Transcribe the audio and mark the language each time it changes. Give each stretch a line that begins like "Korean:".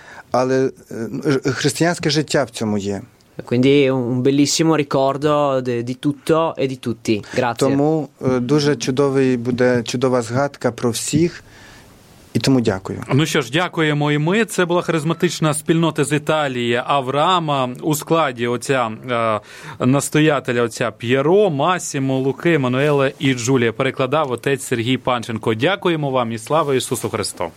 Ukrainian: Але християнське життя в цьому є.
Italian: Quindi un bellissimo ricordo di tutto e di tutti. Grazie.
Ukrainian: Тому дуже чудовий буде чудова згадка про всіх. І тому дякую. Ну що ж, дякуємо і ми. Це була харизматична спільнота з Італії Авраама у складі оця настоятеля, оця П'єро, Масімо, Луки, Еммануеле і Джулія. Перекладав отець Сергій Панченко. Дякуємо вам і слава Ісусу Христу.